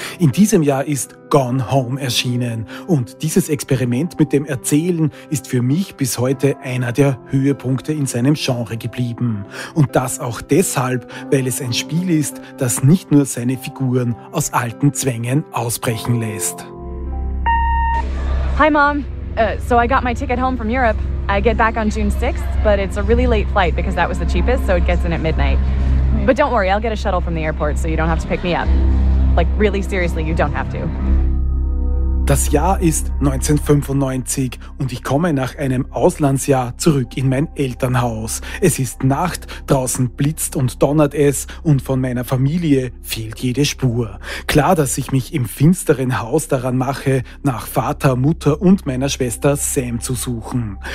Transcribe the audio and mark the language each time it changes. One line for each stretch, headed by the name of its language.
German: In diesem Jahr ist Gone Home erschienen und dieses Experiment mit dem Erzählen ist für mich bis heute einer der Höhepunkte in seinem Genre geblieben. Und das auch deshalb, weil es ein Spiel ist, das nicht nur seine Figuren aus alten Zwängen ausbrechen lässt.
English: Hi Mom, so I got my ticket home from Europe. I get back on June 6th, but it's a really late flight because that was the cheapest, so it gets in at midnight. But don't worry, I'll get a shuttle from the airport so you don't have to pick me up. Like, really seriously, you don't have to.
German: Das Jahr ist 1995 und ich komme nach einem Auslandsjahr zurück in mein Elternhaus. Es ist Nacht, draußen blitzt und donnert es und von meiner Familie fehlt jede Spur. Klar, dass ich mich im finsteren Haus daran mache, nach Vater, Mutter und meiner Schwester Sam zu suchen.